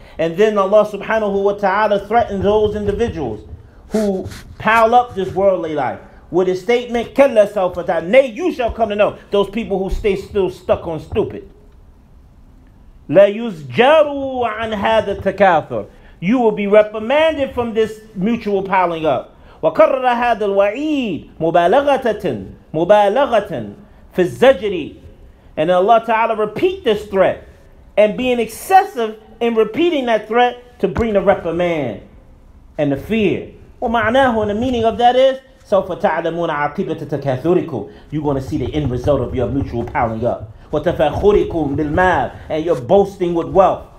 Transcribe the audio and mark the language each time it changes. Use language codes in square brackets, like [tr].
[en] And then Allah subhanahu wa ta'ala threatens those individuals who pile up this worldly life with a statement, Kalla sawfa ta'lamun. Nay, you shall come to know. Those people who stay still stuck on stupid. La yuzjaru an hadha takathur. You will be reprimanded from this mutual piling up. [ar] وكرر هذا الوعيد مبالغة في الزجر. [en] And Allah Ta'ala repeat this threat and being excessive in repeating that threat to bring the reprimand and the fear. [ar] ومعناه, [en] and the meaning of that is, [ar] سوف تعلمون عاقبة تكاثركم. [en] You're going to see the end result of your mutual piling up. [ar] وتفاخركم بالمال, [en] and your boasting with wealth.